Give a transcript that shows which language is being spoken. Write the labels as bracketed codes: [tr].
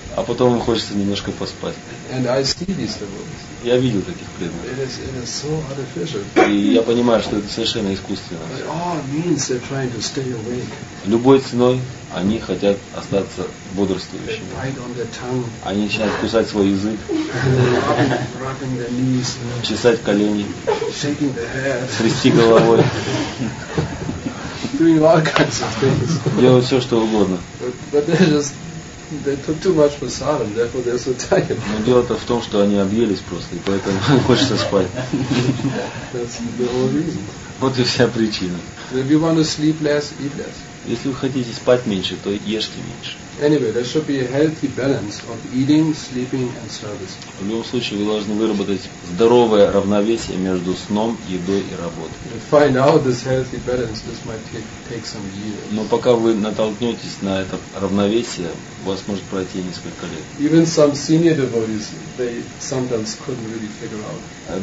[ru] А потом им хочется немножко поспать. [en] And I see these devotees. [ru] Я видел таких преданных. [en] It is so artificial. [ru] И я понимаю, что это совершенно искусственно. [en] But all means they're trying to stay awake. [ru] Любой ценой они хотят остаться бодрствующими. [en] They bite on their tongue. [ru] Они начинают кусать свой язык. [en] Rubbing their knees. [ru] Чесать колени. [en] Shaking their head. [ru] Трясти головой. [en] Doing all kinds of things. [ru] Делать все, что угодно. [en] But they just... They took too much prasadam, therefore they're so tired. [ru] Но дело-то в том, что они объелись просто, и поэтому хочется спать. [en] That's the whole reason. [ru] Вот и вся причина. [en] If you want to sleep less, eat less. [ru] Если вы хотите спать меньше, то ешьте меньше. [en] Anyway, there should be a healthy balance of eating, sleeping, and service. [ru] В любом случае, вы должны выработать здоровое равновесие между сном, едой и работой. [en] To find out this healthy balance, this might take some years. [ru] Но пока вы натолкнетесь на это равновесие, у вас может пройти несколько лет. [en] Even some senior devotees, they sometimes couldn't really figure out.